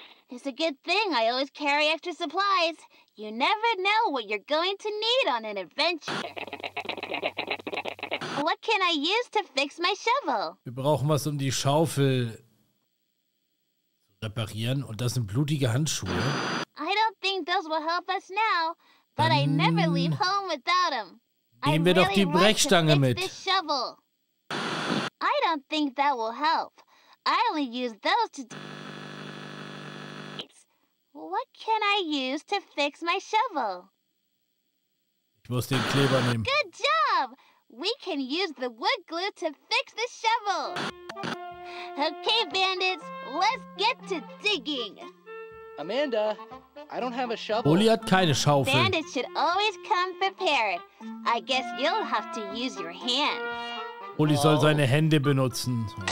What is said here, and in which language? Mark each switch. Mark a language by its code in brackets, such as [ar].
[en] It's a good thing I always carry extra supplies. You never know what you're going to need on an adventure. What can I use to fix my shovel? [de] Wir brauchen was, um die Schaufel zu reparieren. Und das sind blutige Handschuhe. [en] I don't think those will help us now, but [de] dann [en] I never leave home without them. [de] Nehmen wir doch die Brechstange mit. [en] I don't think that will help. I only use those to do. What can I use to fix my shovel? [de] Ich muss den Kleber nehmen. [en] Good job! We can use the wood glue to fix the shovel. Okay, bandits, let's get to digging. Amanda, I don't have a shovel. [de] Oli hat keine Schaufel. [en] Bandits should always come prepared. I guess you'll have to use your hands. [de] Oli soll seine Hände benutzen.